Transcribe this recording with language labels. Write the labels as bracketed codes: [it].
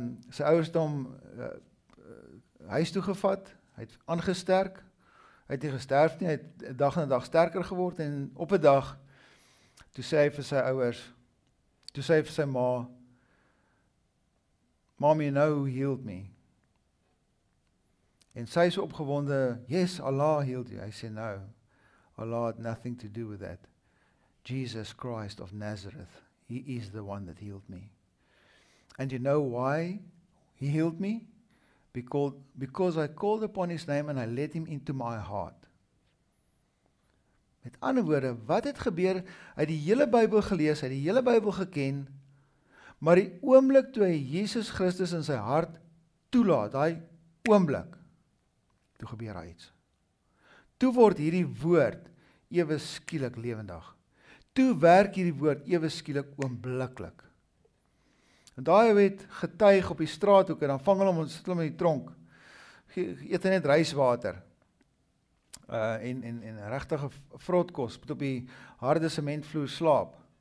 [af] Sy ouers het hom huis toe gevat, hy het aangesterk, hy het nie gesterf nie, hy het dag na dag sterker geword, en op 'n dag, toe sê hy vir sy ouers, toe sê hy vir sy ma, [en] Mommy, you know who healed me? [af] En sy is opgewonde, [en] yes, Allah healed you. [af] Hy sê, [en] no, Allah had nothing to do with that. Jesus Christ of Nazareth, he is the one that healed me. And you know why he healed me? Because I called upon his name and I let him into my heart. [af] Met ander woorde, wat het gebeur? Hy het die hele Bybel gelees, hy het die hele Bybel geken, maar die oomblik toe hy Jesus Christus in sy hart toelaat, hy oomblik, toe gebeur hy iets. Toe word hierdie woord ewe skielik lewendig. Toe werk hierdie woord ewe skielik oombliklik. En daai het getuig op die straathoek en dan vang hulle hom, sit hulle in die tronk, eet hy net ryswater, en regtige vrotkos, moet op die harde sementvloer slaap.